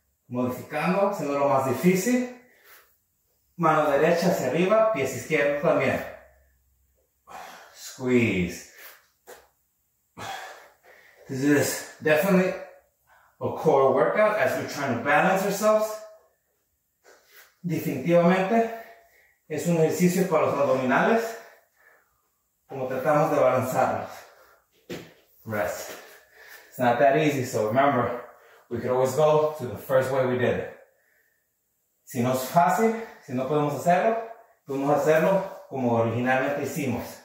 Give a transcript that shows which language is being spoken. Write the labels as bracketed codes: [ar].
[es] Modificando, siendo lo más difícil. Mano derecha hacia arriba, pies izquierdo también. [en] Squeeze. This is definitely a core workout as we're trying to balance ourselves. [es] Definitivamente, es un ejercicio para los abdominales, como tratamos de balancearnos. [en] Rest. It's not that easy, so remember, we could always go to the first way we did it. [es] Si no es fácil, si no podemos hacerlo como originalmente hicimos.